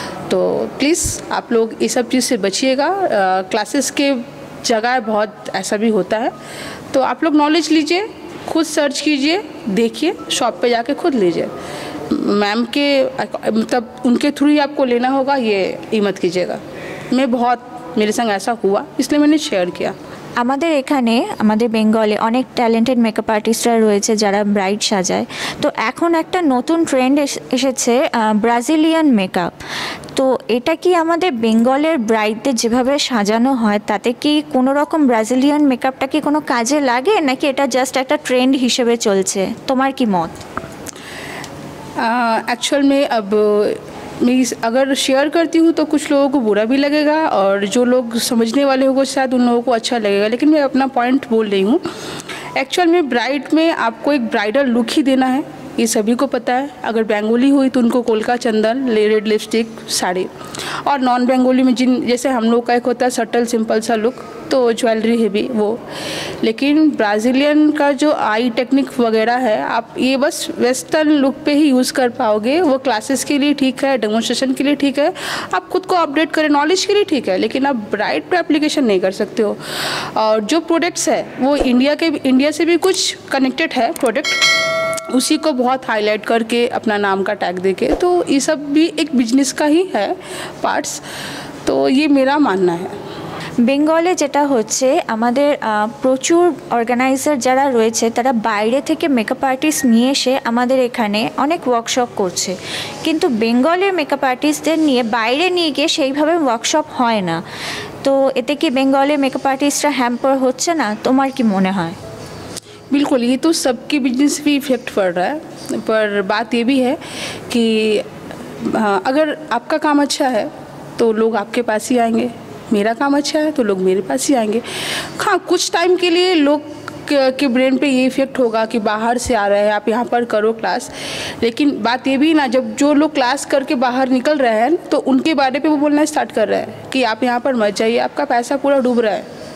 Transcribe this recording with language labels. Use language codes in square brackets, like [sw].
[hi] तो प्लीज़ आप लोग ये सब चीज़ से बचिएगा, क्लासेस के जगह बहुत ऐसा भी होता है, तो आप लोग नॉलेज लीजिए, खुद सर्च कीजिए, देखिए, शॉप पे जाके खुद लीजिए, मैम के मतलब उनके थ्रू ही आपको लेना होगा, ये मत कीजिएगा। मैं बहुत, मेरे संग ऐसा हुआ इसलिए मैंने शेयर किया। [bn] আমাদের এখানে আমাদের বেঙ্গলে অনেক ট্যালেন্টেড মেকআপ আর্টিস্টরা রয়েছে যারা ব্রাইড সাজায়। তো এখন একটা নতুন ট্রেন্ড এসেছে, ব্রাজিলিয়ান মেকআপ। তো এটা কি আমাদের বেঙ্গলের ব্রাইডদের যেভাবে সাজানো হয় তাতে কি কোনো রকম ব্রাজিলিয়ান মেকআপটা কি কোনো কাজে লাগে, নাকি এটা জাস্ট একটা ট্রেন্ড হিসেবে চলছে? তোমার কি মত? [hi] অ্যাকচুয়াল মে আব मैं अगर शेयर करती हूँ तो कुछ लोगों को बुरा भी लगेगा और जो लोग समझने वाले होंगे शायद उन लोगों को अच्छा लगेगा, लेकिन मैं अपना पॉइंट बोल रही हूँ। एक्चुअल में ब्राइड में आपको एक ब्राइडल लुक ही देना है, ये सभी को पता है। अगर बेंगोली हुई तो उनको कोलका चंदन, रेड लिपस्टिक, साड़ी, और नॉन बेंगोली में जिन जैसे हम लोग का एक होता है सटल सिंपल सा लुक, तो ज्वेलरी है भी वो। लेकिन ब्राज़ीलियन का जो आई टेक्निक वगैरह है, आप ये बस वेस्टर्न लुक पे ही यूज़ कर पाओगे, वो क्लासेस के लिए ठीक है, डेमोन्स्ट्रेशन के लिए ठीक है, आप खुद को अपडेट करें नॉलेज के लिए ठीक है, लेकिन आप ब्राइड पे एप्लीकेशन नहीं कर सकते हो। और जो प्रोडक्ट्स है वो इंडिया से भी कुछ कनेक्टेड है प्रोडक्ट, उसी को बहुत हाईलाइट करके अपना नाम का टैग देके, तो ये सब भी एक बिजनेस का ही है पार्ट्स, तो ये मेरा मानना है। [bn] বেঙ্গলে যেটা হচ্ছে আমাদের প্রচুর অর্গানাইজার যারা রয়েছে তারা বাইরে থেকে মেকআপ আর্টিস্ট নিয়ে এসে আমাদের এখানে অনেক ওয়ার্কশপ করছে, কিন্তু বেঙ্গলের মেকআপ আর্টিস্টদের নিয়ে বাইরে নিয়ে গিয়ে সেইভাবে ওয়ার্কশপ হয় না। তো এতে কি বেঙ্গলের মেকআপ আর্টিস্টরা হ্যাম্পার হচ্ছে না, তোমার কি মনে হয়? [hi] बिल्कुल, ये तो सबके बिजनेस पे इफ़ेक्ट पड़ रहा है, पर बात ये भी है कि अगर आपका काम अच्छा है तो लोग आपके पास ही आएंगे, मेरा काम अच्छा है तो लोग मेरे पास ही आएंगे। हाँ, कुछ टाइम के लिए लोग के ब्रेन पे ये इफ़ेक्ट होगा कि बाहर से आ रहे हैं, आप यहाँ पर करो क्लास, लेकिन बात ये भी ना, जब जो लोग क्लास करके बाहर निकल रहे हैं तो उनके बारे पर वो बोलना स्टार्ट कर रहे हैं कि आप यहाँ पर मत जाइए, आपका पैसा पूरा डूब रहा है।